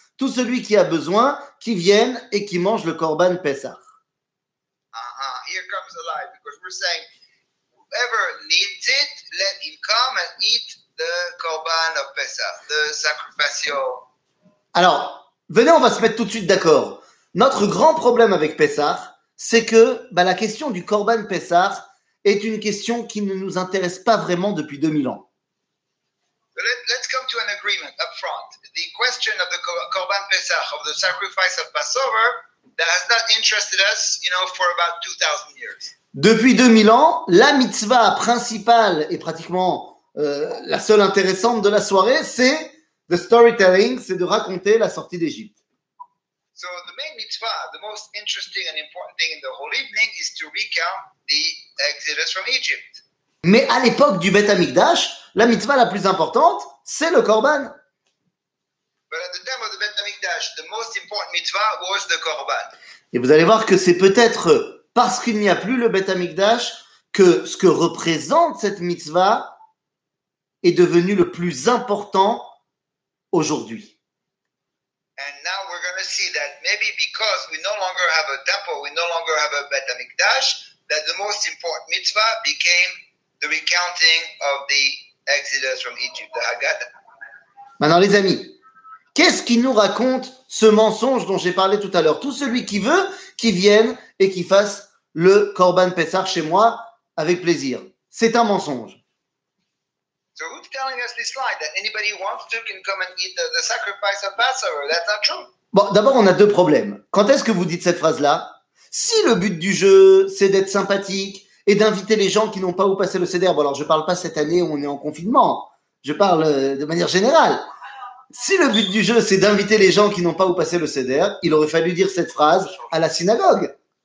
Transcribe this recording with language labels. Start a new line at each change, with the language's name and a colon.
French: Tout celui qui a besoin, qui vienne et qui mange le korban pesach.
English: Here comes the lie, because we're saying, whoever needs it, let him come and eat the korban of pesach, the sacrificio.
French: Alors, venez, on va se mettre tout de suite d'accord. Notre grand problème avec Pessah, c'est que la question du Korban Pessah est une question qui ne nous intéresse pas vraiment depuis 2000 ans.
English: Let's come to an agreement up front. The question of the Korban Pessah, of the sacrifice of Passover, that has not interested us, you know, for about 2000 years.
French: Depuis 2000 ans, la mitzvah principale et pratiquement la seule intéressante de la soirée, c'est
English: the storytelling,
French: c'est de raconter la sortie d'Égypte.
English: So the main mitzvah, the most interesting and important thing in the whole evening is to recount the exodus from Egypt.
French: Mais à l'époque du Beth Amikdash, la mitzvah la plus importante, c'est le korban.
English: But at the time of the Beth Amikdash, the most important mitzvah was the korban.
French: Et vous allez voir que c'est peut-être parce qu'il n'y a plus le Beth Amikdash que ce que représente cette mitzvah est devenu le plus important aujourd'hui.
English: And now we're going to see that maybe because we no longer have a temple, we no longer have a Beit HaMikdash, that the most important mitzvah became the recounting of the exodus from Egypt, the Haggadah.
French: Maintenant les amis, qu'est-ce qui nous raconte ce mensonge dont j'ai parlé tout à l'heure? Tout celui qui veut, qui vienne et qui fasse le Korban Pessah chez moi avec plaisir. C'est un mensonge.
English: So who's telling us this lie that anybody who wants to can come and eat the sacrifice of Passover? That's not true.
French: Bon, d'abord, on a 2 problèmes. Quand est-ce que vous dites cette phrase-là? Si le but du jeu, c'est d'être sympathique et d'inviter les gens qui n'ont pas où passer le CDR, bon alors je ne parle pas cette année où on est en confinement, je parle de manière générale. Si le but du jeu, c'est d'inviter les gens qui n'ont pas où passer le CDR, il aurait fallu dire cette phrase à la synagogue.